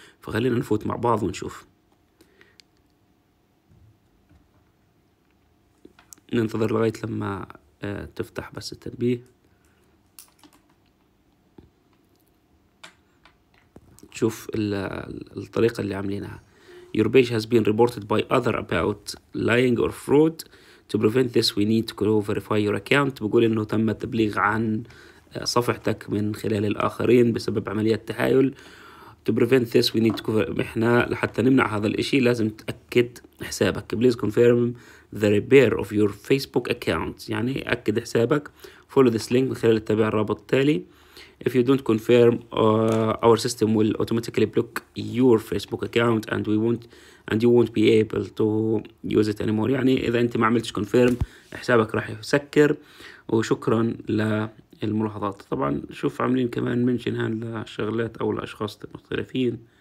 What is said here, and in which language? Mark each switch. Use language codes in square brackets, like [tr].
[ar] فخلينا نفوت مع بعض ونشوف، ننتظر لغاية لما تفتح بس التنبيه، شوف الطريقة اللي عاملينها. [en] Your page has been reported by other about lying or fraud. To prevent this we need to verify your account. [ar] بقول انه تم التبليغ عن صفحتك من خلال الاخرين بسبب عملية تحايل. [en] To prevent this we need to [ar] احنا لحتى نمنع هذا الاشي لازم تأكد حسابك. [en] Please confirm the repair of your Facebook account. [ar] يعني أكد حسابك. [en] Follow this link [ar] من خلال اتباع الرابط التالي. [en] If you don't confirm, our system will automatically block your Facebook account and we won't and you won't be able to use it anymore. [ar] يعني إذا أنت ما عملتش confirm حسابك راح يسكر. وشكرا للملاحظات. طبعا شوف عاملين كمان منشن هان لشغلات أو لأشخاص مختلفين.